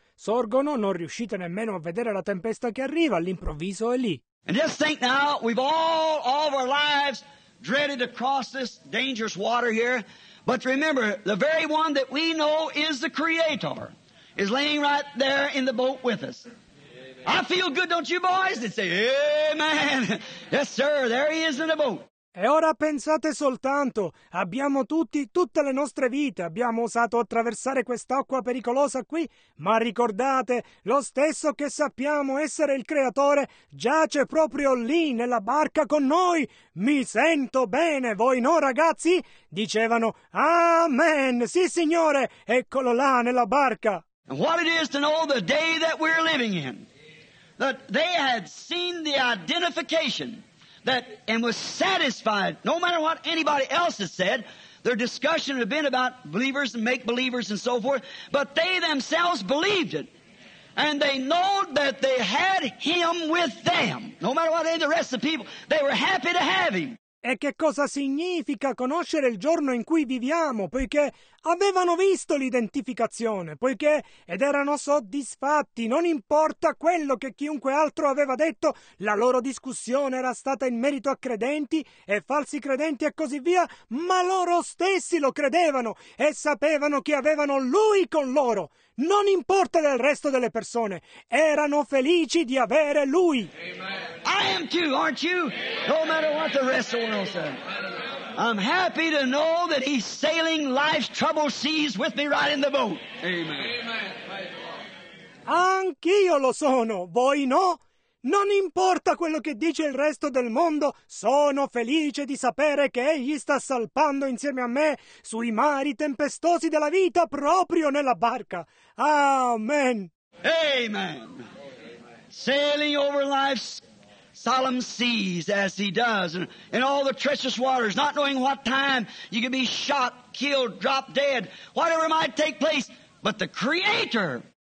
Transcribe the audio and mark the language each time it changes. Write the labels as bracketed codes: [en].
[it] Sorgono, non riuscite nemmeno a vedere la tempesta che arriva, all'improvviso è lì. [en] And just think now, we've all of our lives dreaded to cross this dangerous water here, but remember, the very one that we know is the Creator is laying right there in the boat with us. I feel good, don't you boys? They say, amen. Yes, sir, there he is in the boat. [it] E ora pensate soltanto, abbiamo tutte le nostre vite, abbiamo osato attraversare quest'acqua pericolosa qui, ma ricordate, lo stesso che sappiamo essere il Creatore giace proprio lì nella barca con noi. Mi sento bene, voi no, ragazzi? Dicevano, amen, sì, signore, eccolo là nella barca. [en] And what it is to know the day that we're living in. That they had seen the identification that and was satisfied, no matter what anybody else has said, their discussion had been about believers and make believers and so forth, but they themselves believed it. And they know that they had him with them. No matter what the rest of the people, they were happy to have him. [it] E che cosa significa conoscere il giorno in cui viviamo, poiché avevano visto l'identificazione, poiché ed erano soddisfatti, non importa quello che chiunque altro aveva detto, la loro discussione era stata in merito a credenti e falsi credenti e così via, ma loro stessi lo credevano e sapevano che avevano lui con loro, non importa del resto delle persone, erano felici di avere lui. [en] Amen. I am too, aren't you? No matter what the rest of the world said. I'm happy to know that he's sailing life's troubled seas with me right in the boat. Amen. [it] Anch'io lo sono, voi no? Non importa quello che dice il resto del mondo, sono felice di sapere che egli sta salpando insieme a me sui mari tempestosi della vita proprio nella barca. Amen. Amen. [en] Sailing over life's solemn seas as he does in all the treacherous waters, not knowing what time you can be shot, killed, dropped dead, whatever might take place, but the Creator.